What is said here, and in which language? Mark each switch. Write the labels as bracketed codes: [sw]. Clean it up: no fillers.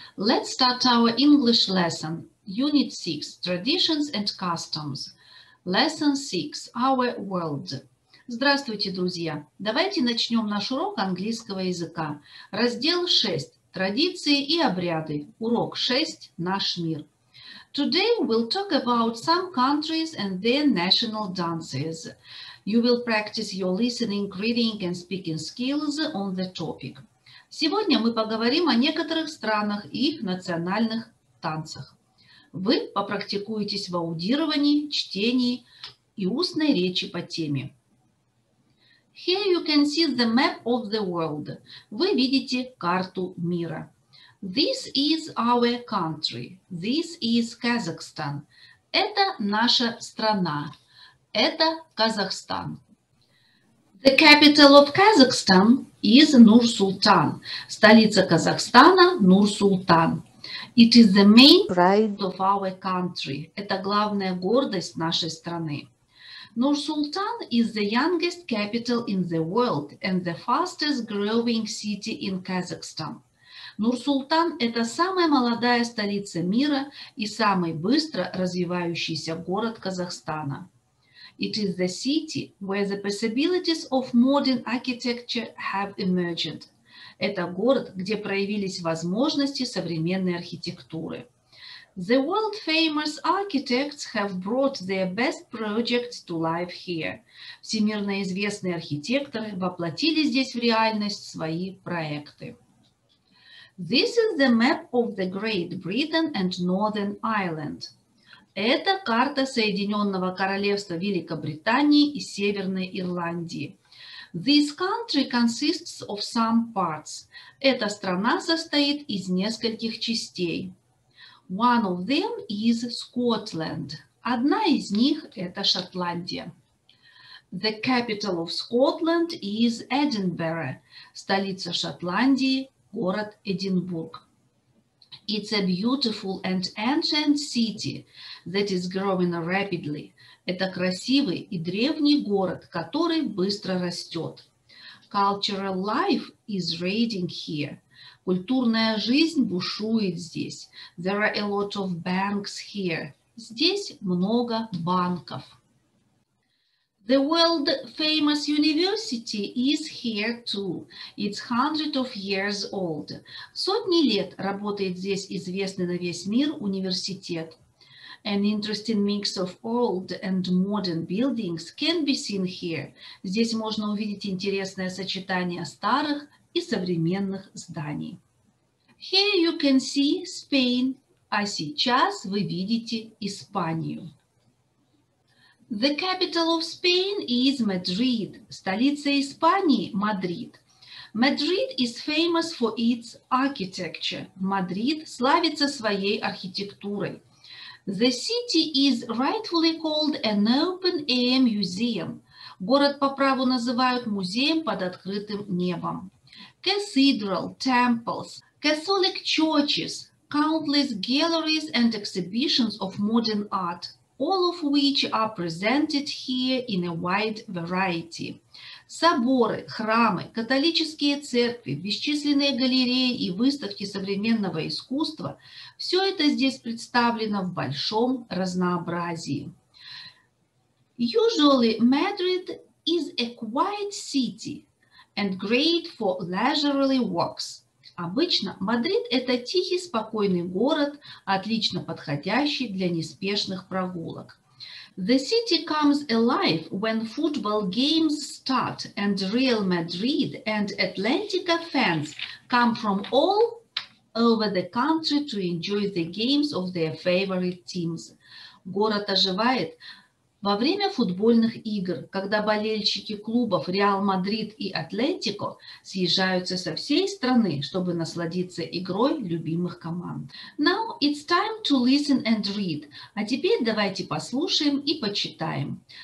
[en] Let's start our English lesson, Unit 6, Traditions and Customs. Lesson 6, Our World. [ru] Здравствуйте, друзья. Давайте начнем наш урок английского языка. Раздел 6, Традиции и обряды. Урок 6, Наш мир. [en] Today we'll talk about some countries and their national dances. You will practice your listening, reading and speaking skills on the topic. [ru] Сегодня мы поговорим о некоторых странах и их национальных танцах. Вы попрактикуетесь в аудировании, чтении и устной речи по теме. [en] Here you can see the map of the world. [ru] Вы видите карту мира. [en] This is our country. This is Kazakhstan. [ru] Это наша страна. Это Казахстан. [en] The capital of Kazakhstan is Nur-Sultan. [ru] Столица Казахстана – Нур-Султан. [en] It is the main pride of our country. [ru] Это главная гордость нашей страны. [en] Nur-Sultan is the youngest capital in the world and the fastest growing city in Kazakhstan. [ru] Nur-Sultan – это самая молодая столица мира и самый быстро развивающийся город Казахстана. [en] It is the city where the possibilities of modern architecture have emerged. [ru] Это город, где проявились возможности современной архитектуры. [en] The world famous architects have brought their best projects to life here. [ru] Всемирно известные архитекторы воплотили здесь в реальность свои проекты. [en] This is the map of the Great Britain and Northern Ireland. [ru] Это карта Соединенного Королевства Великобритании и Северной Ирландии. [en] This country consists of some parts. [ru] Эта страна состоит из нескольких частей. [en] One of them is Scotland. [ru] Одна из них – это Шотландия. [en] The capital of Scotland is Edinburgh. [ru] Столица Шотландии – город Эдинбург. [en] It's a beautiful and ancient city that is growing rapidly. [ru] Это красивый и древний город, который быстро растет. [en] Cultural life is raging here. [ru] Культурная жизнь бушует здесь. [en] There are a lot of banks here. [ru] Здесь много банков. [en] The world famous university is here too. It's hundreds of years old. [ru] Сотни лет работает здесь известный на весь мир университет. [en] An interesting mix of old and modern buildings can be seen here. [ru] Здесь можно увидеть интересное сочетание старых и современных зданий. [en] Here you can see Spain. [ru] А сейчас вы видите Испанию. [en] The capital of Spain is Madrid. [ru] Столица Испании – Мадрид. [en] Madrid is famous for its architecture. [ru] Мадрид славится своей архитектурой. [en] The city is rightfully called an open-air museum. [ru] Город по праву называют музеем под открытым небом. [en] Cathedral, temples, Catholic churches, countless galleries and exhibitions of modern art. All of which are presented here in a wide variety. [ru] Соборы, храмы, католические церкви, бесчисленные галереи и выставки современного искусства – все это здесь представлено в большом разнообразии. [en] Usually Madrid is a quiet city and great for leisurely walks. [ru] Обычно Мадрид – это тихий, спокойный город, отлично подходящий для неспешных прогулок. [en] The city comes alive when football games start and Real Madrid and Atlantica fans come from all over the country to enjoy the games of their favorite teams. [ru] Город оживает во время футбольных игр, когда болельщики клубов Реал Мадрид и Атлетико съезжаются со всей страны, чтобы насладиться игрой любимых команд. [en] Now it's time to listen and read. [ru] А теперь давайте послушаем и почитаем.